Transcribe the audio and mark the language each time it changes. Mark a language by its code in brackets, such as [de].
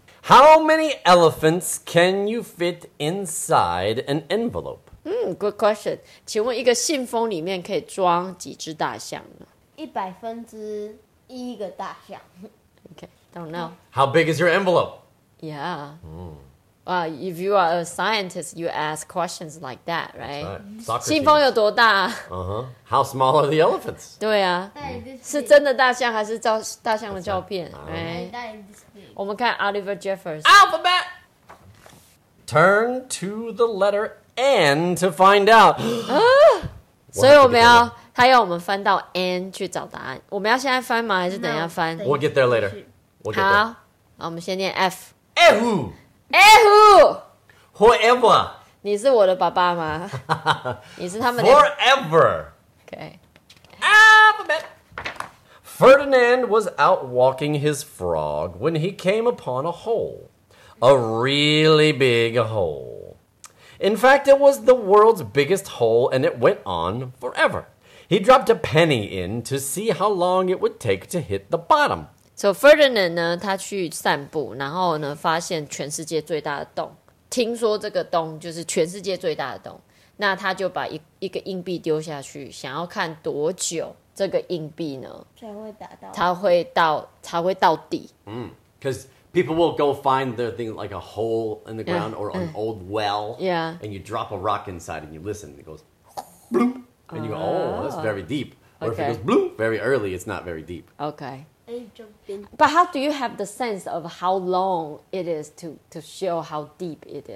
[en] How many elephants can you fit inside an envelope? Good question. [zh] 请问一个信封里面可以装几只大象呢？ 1/100个大象。 [en] Don't know. How big is your envelope? Yeah. Well, if you are a scientist, you ask questions like that, right? That's right. [zh] 信封有多大、啊、 [en] Uh-huh. How small are the elephants? [zh] 对啊。是真的大象还是照大象的照片 right. [en] Right? [zh] 我们看 Oliver Jeffers. [en] Alphabet! Turn to the letter N to find out. [zh] 所以我们要他要我们翻到 N 去找答案。我们要现在翻吗还是等一下翻 [en] no, We'll get there later. We'll、 [zh] 好，我们先念 F. Ehu, Ehu, [en] forever. [zh] 你是我的爸爸吗？你是他们的 [en] forever. Okay. Alphabet. Ferdinand was out walking his frog when he came upon a hole, a really big hole. In fact, it was the world's biggest hole, and it went on forever. He dropped a penny in to see how long it would take to hit the bottom. [zh] So Ferdinand 呢他去散步然后呢发现全世界最大的洞听说这个洞就是全世界最大的洞那他就把 一个硬币丢下去想要看多久这个硬币呢才会打到它会到底 [en] Because、people will go find their thing like a hole in the ground or an old well Yeah. And you drop a rock inside and you listen and it goes bloop and you go oh that's very deep or、 okay. if it goes bloop very early it's not very deep OkayBut how do you have the sense of how long it is to show how deep it is?